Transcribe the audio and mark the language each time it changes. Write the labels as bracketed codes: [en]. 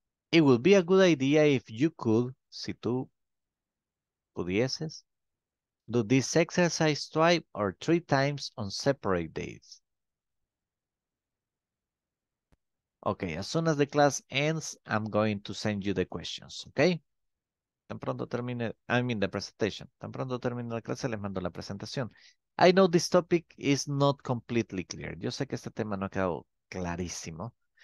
[en] It would be a good idea if you could, [es] si tú pudieses, [en] do this exercise twice or three times on separate days. Okay, as soon as the class ends, I'm going to send you the questions, okay? The presentation. [es] Tan pronto termine la clase, les mando la presentación. [en] I know this topic is not completely clear. [es] Yo sé que este tema no ha quedado clarísimo.